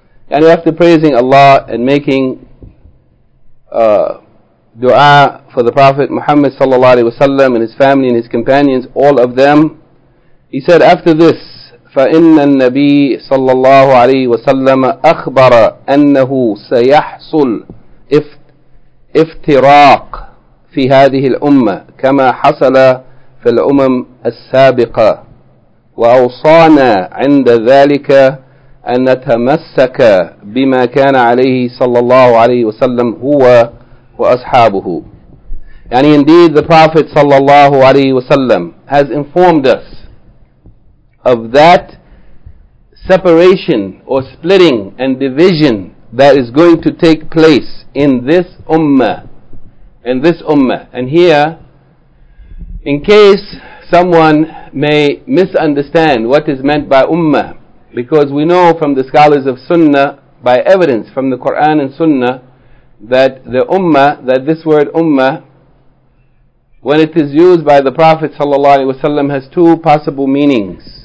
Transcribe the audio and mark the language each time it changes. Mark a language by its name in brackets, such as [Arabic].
[English] And after praising Allah and making dua for the Prophet Muhammad sallallahu alayhi wa sallam and his family and his companions, all of them, he said after this, [Arabic] فَإِنَّ النَّبِيِّ صَلَّى اللَّهُ عَلَيْهِ وَسَلَّمَ أَخْبَرَ أَنَّهُ سَيَحْصُلْ افْتِرَاقٌ في هذه الأمة كما حصل في الأمم السابقة، وأوصانا عند ذلك أن نتمسك بما كان عليه صلى الله عليه وسلم هو وأصحابه. [English] And indeed the Prophet [Arabic] صلى الله عليه وسلم [English] has informed us of that separation or splitting and division that is going to take place in this ummah. And here, in case someone may misunderstand what is meant by ummah, because we know from the scholars of Sunnah, by evidence from the Quran and Sunnah, that the ummah, that this word ummah, when it is used by the Prophet ﷺ, has two possible meanings.